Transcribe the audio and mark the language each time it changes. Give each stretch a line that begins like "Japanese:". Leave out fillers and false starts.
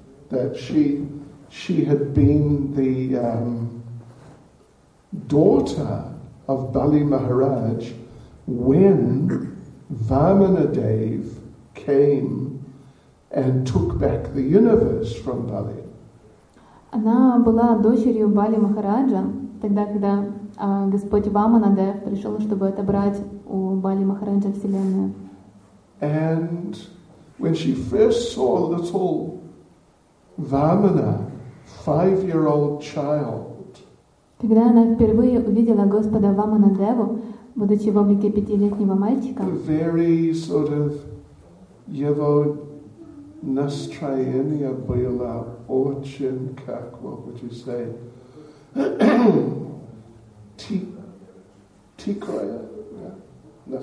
English: That she had been the daughter of Bali Maharaj when Vamanadev came and took back the universe from Bali.
Russian: Она была дочерью Бали Махараджа тогда, когда Господь Ваманадев пришел, чтобы отобрать у Бали Махараджа вселенную.
English: And when she first saw little Vamana, 5-year-old child.
Russian: Когда она впервые увидела Господа Ваманадеву, будучи в облике 5-летнего мальчика,
English: very sort of
Russian: его настроение было очень, как,
English: what would you say,
Russian: тихое,
English: yeah?